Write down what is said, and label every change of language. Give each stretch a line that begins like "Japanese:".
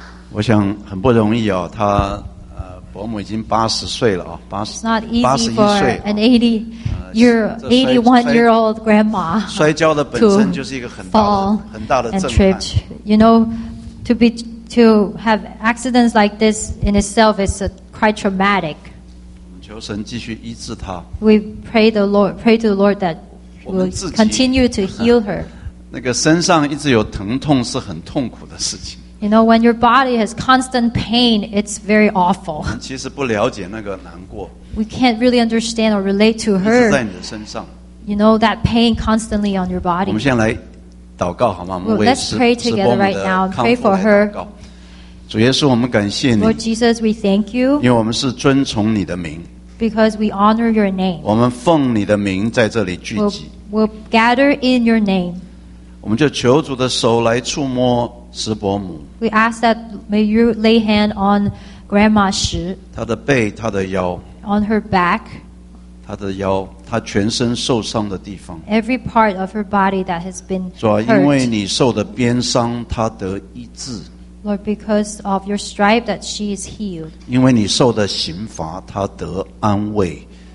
Chinese: 我想很不容易哦，他伯母已经八十岁了啊，八十，八十一岁。
English: An 81-year-old grandma.
Chinese: 摔跤的本身就是一个很大的很大的震撼。
English: You know, to have accidents like this in itself is quite traumatic.
Chinese: 求神继续医治他。
English: We pray to the Lord that will continue to heal her.
Chinese: 那个身上一直有疼痛是很痛苦的事情。
English: You know, when your body has constant pain, it's very awful.
Chinese: 其实不了解那个难过。
English: We can't really understand or relate to her.
Chinese: 一直在你的身上。
English: You know, that pain constantly on your body.
Chinese: 我们先来祷告好吗？我们为
English: Let's pray together right now and pray for her.
Chinese: 主耶稣，我们感谢你。
English: Lord Jesus, we thank you.
Chinese: 因为我们是遵从你的名。
English: Because we honor your name.
Chinese: 我们奉你的名在这里聚集。
English: We'll gather in your name.
Chinese: 我们就求主的手来触摸。
English: We ask that may you lay hand on Grandma Shi.
Chinese: 她的背，她的腰。
English: On her back.
Chinese: 她的腰，她全身受伤的地方。
English: Every part of her body that has been hurt.
Chinese: 主啊，因为你受的鞭伤，她得医治。
English: Lord, because of your stripe that she is healed.
Chinese: 因为你受的刑罚，她得安慰。